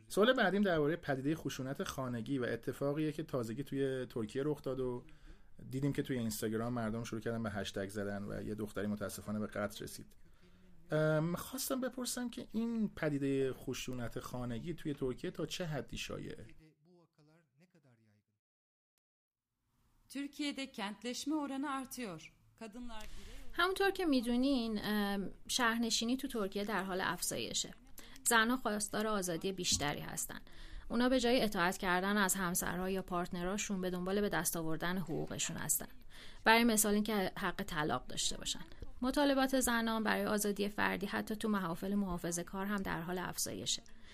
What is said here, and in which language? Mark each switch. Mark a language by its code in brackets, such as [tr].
[fa] سوال بعدیم درباره پدیده خشونت خانگی و اتفاقیه که تازگی توی ترکیه رخ داد و دیدیم که توی اینستاگرام مردم شروع کردن به هشتگ زدن و یه دختری متاسفانه به قتل رسید. خواستم بپرسم که این پدیده خشونت خانگی توی ترکیه تا چه حدی شایعه؟ [tr] Türkiye'de kentleşme oranı artıyor. Kadınlar [fa] همونطور که میدونین شهرنشینی تو ترکیه در حال افزایشه. زنها خواستار آزادی بیشتری هستن. اونا به جای اطاعت کردن از همسرها یا پارتنرهاشون به دنبال به دست آوردن حقوقشون هستن. برای مثال اینکه حق طلاق داشته باشن. مطالبات زنان برای آزادی فردی حتی تو محافل محافظه‌کار هم در حال افزایشه.